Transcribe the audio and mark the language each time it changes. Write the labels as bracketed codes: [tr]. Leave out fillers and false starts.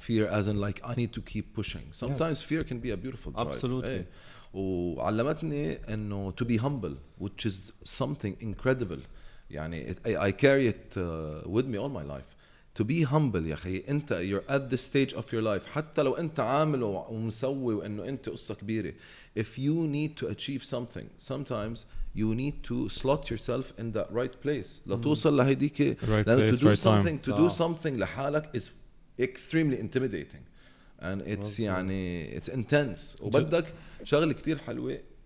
[en] Fear as in like, I need to keep pushing. Sometimes yes. Fear can be a beautiful drive. Absolutely. Hey. [ar] وعلمتني انه [en] to be humble, which is something incredible. يعني I carry it with me all my life. To be humble, [ar] يا خي, انت, [en] you're at the stage of your life. [ar] حتى لو انت عامل ومسوي وانه انت قصة كبيرة. [en] If you need to achieve something, sometimes, you need to slot yourself in that right place. [ar] لتوصل لهيديك. [en] Right place, to do right something, time. To do something لحالك is extremely intimidating. And it's, okay. [ar] يعني, [en] it's intense. [ar] وبدك شغل كتير حلوة.